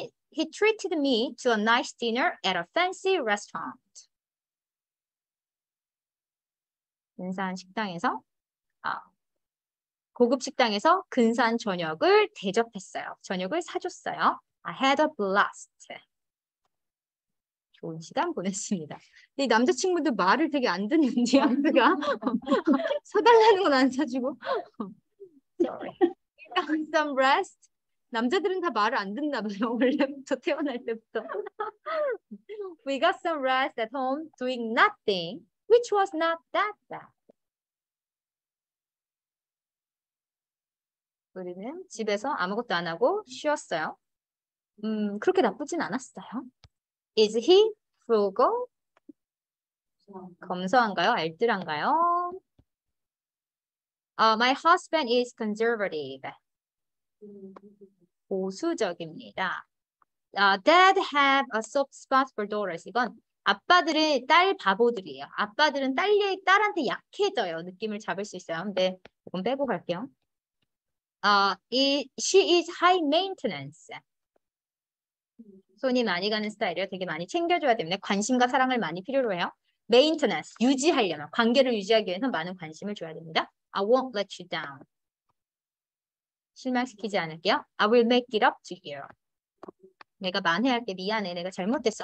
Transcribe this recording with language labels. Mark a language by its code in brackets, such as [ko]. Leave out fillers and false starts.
[en] He treated me to a nice dinner at a fancy restaurant. [ko] 근사한 식당에서 고급 식당에서 근사한 저녁을 대접했어요. 저녁을 사줬어요. [en] I had a blast. [ko] 좋은 시간 보냈습니다. 근데 이 남자친구도 말을 되게 안 듣는 뉘앙스가 사달라는 건안 사주고 some rest. 남자들은 다 말을 안 듣나 봐요. 원래부터 태어날 때부터. [en] We got some rest at home doing nothing, which was not that bad. [ko] 우리는 집에서 아무것도 안 하고 쉬었어요. 그렇게 나쁘진 않았어요. [en] Is he frugal? [ko] 검소한가요? 알뜰한가요? [en] My husband is conservative. [ko] 보수적입니다. [en] Dad have a soft spot for daughters. [ko] 이건 아빠들의 딸 바보들이에요. 아빠들은 딸한테 약해져요. 느낌을 잡을 수 있어요. 근데 이건 빼고 갈게요. [en] She is high maintenance. [ko] 손이 많이 가는 스타일이에요. 되게 많이 챙겨줘야 되는데 관심과 사랑을 많이 필요로 해요. Maintenance, 유지하려면, 관계를 유지하기 위해서 많은 관심을 줘야 됩니다. [en] I won't let you down. [ko] 실망시키지 않을게요. [en] I will make it up to you. [ko] 내가 만회할게. 미안해. 내가 잘못됐어.